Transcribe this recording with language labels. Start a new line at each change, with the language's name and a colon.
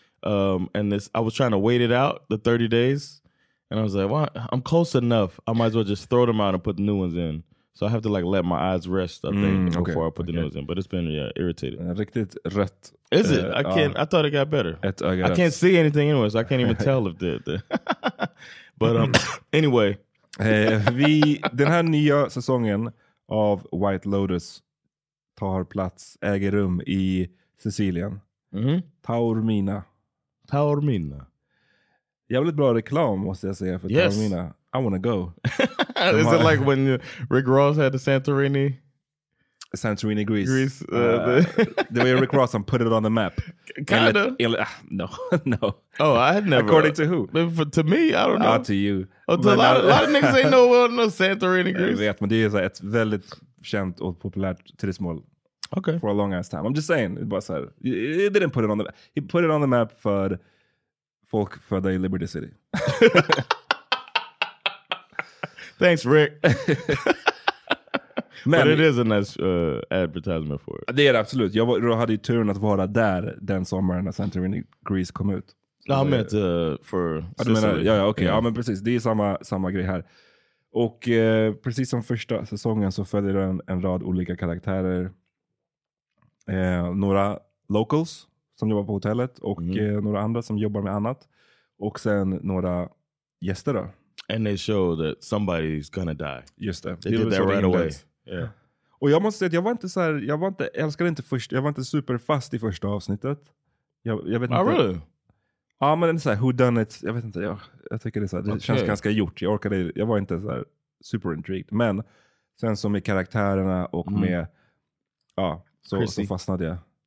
English: And this, I was trying to wait it out the 30 days, and I was like, well, I'm close enough. I might as well just throw them out and put the new ones in. So I have to like let my eyes rest, I think, before I put the nose in. But it's been, yeah, irritated.
Swedish: Riktigt rött.
English: Is it? I can't. I thought it got better. I can't see anything anyway, so I can't even tell if
Swedish: det.
English: But anyway.
Swedish: den här nya säsongen av White Lotus tar plats, äger rum i Sicilien. Taormina. Taormina. Jävligt bra reklam, måste jag säga, för Taormina.
English: I want to go. Is it like when Rick Ross had the Santorini? Santorini, Greece. Greece. the way Rick Ross and put it on the map. Kinda. No. No. Oh, I had never. According to who? To me, I don't know. Not to you. Oh, to a lot of niggas ain't know no Santorini, Greece. Yeah, but it's like, it's very
Swedish: känt och populärt till det
English: small. Okay. For a long ass time. I'm just saying. It was
Swedish: så här,
English: he didn't put it on the map. He put it on the map for folk for the Liberty City. Thanks, Rick.
Swedish: Men,
English: but it is a nice advertisement for it.
Swedish: Det är det, absolut. Jag hade ju turen att vara där den sommaren när Santorini Greece kom ut. Ja, men för... Ja, men precis. Det är samma grej här. Och precis som första säsongen så följer den en rad olika karaktärer. Några locals som jobbar på hotellet och några andra som jobbar med annat. Och sen några gäster då.
English: And they show that somebody's gonna die.
Swedish: Just det.
English: They did that right away. Yeah.
Swedish: Och jag måste säga att jag var inte så här, jag var inte, älskade inte först, jag var inte superfast i första avsnittet. Jag vet inte.
English: Oh, really?
Swedish: Ja, men det är så här,
English: who done it?
Swedish: Jag vet inte, jag tycker det är så här, det känns ganska gjort. Jag var inte så här
English: super intrigued.
Swedish: Men sen som med karaktärerna och med, ja, så fastnade jag.